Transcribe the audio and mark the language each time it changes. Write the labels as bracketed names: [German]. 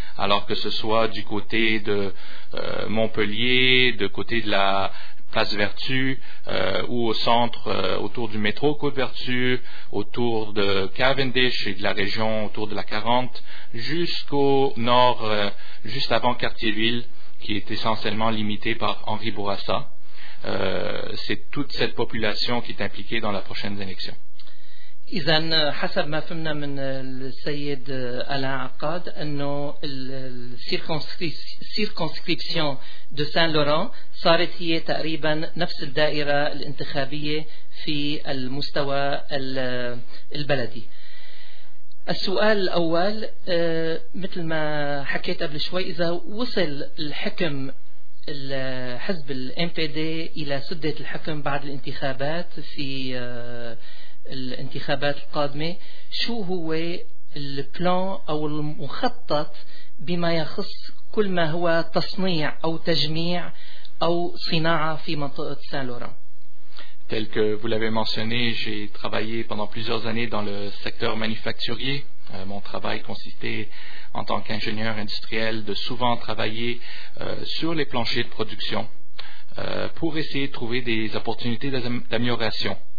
[French] Alors que ce soit du côté de Montpellier, de côté de la Place Vertu, ou au centre, autour du métro Côte-Vertu, autour de Cavendish et de la région autour de la 40, jusqu'au nord, juste avant Cartierville, qui est essentiellement limité par Henri Bourassa. C'est toute cette population qui est impliquée dans la prochaine élection. [Arabic] إذن حسب ما فهمنا من السيد ألان عقاد أنه السيركونسكريبسيون دو سان لوران صارت هي تقريبا نفس الدائرة الانتخابية في المستوى البلدي. السؤال الأول، مثل ما حكيت قبل شوي، إذا وصل الحكم الحزب الام بي دي إلى سدة الحكم بعد الانتخابات في الانتخابات القادمة، شو هو البلان أو المخطط بما يخص كل ما هو تصنيع أو تجميع أو صناعة في منطقة سان لوران. [French] Tel que vous l'avez mentionné, j'ai travaillé pendant plusieurs années dans le secteur manufacturier. Mon travail consistait en tant qu'ingénieur industriel de souvent travailler sur les planchers de production pour essayer de trouver des opportunités d'amélioration.